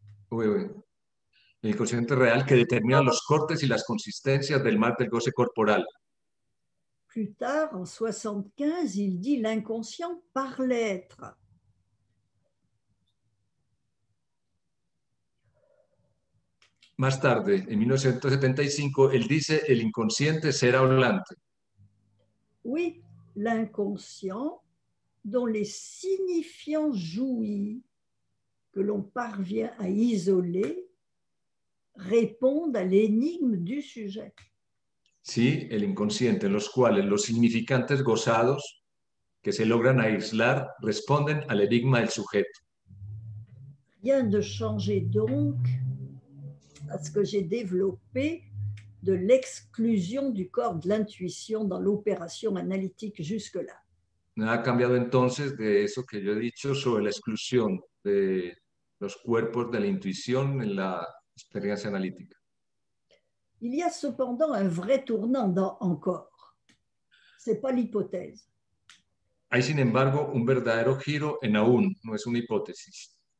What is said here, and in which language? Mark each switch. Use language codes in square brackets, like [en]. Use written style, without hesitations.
[fr] Oui, oui. L'inconsciente réel qui détermine les cortes et les consistances du mal du goce corporel. Plus tard, en 75, il dit l'inconscient par l'être. [es] Más tarde, en 1975, él dice, el inconsciente será hablante. [fr] Oui, l'inconscient dont les signifiants jouis que l'on parvient à isoler répondent à l'énigme du sujet. [es] Sí, el inconsciente, los cuales los significantes gozados que se logran aislar responden a [fr] l'énigme [es] del sujeto. [fr] Rien de changé donc à ce que j'ai développé de l'exclusion du corps de l'intuition dans l'opération analytique jusque-là. [es] Nada ha cambiado entonces de eso que yo he dicho sobre la exclusión de los cuerpos de la intuición en la experiencia analítica. [fr] Il y a cependant un vrai tournant dans encore. C'est pas l'hypothèse. [es] Hay sin embargo un verdadero giro en aún, no es una hipótesis.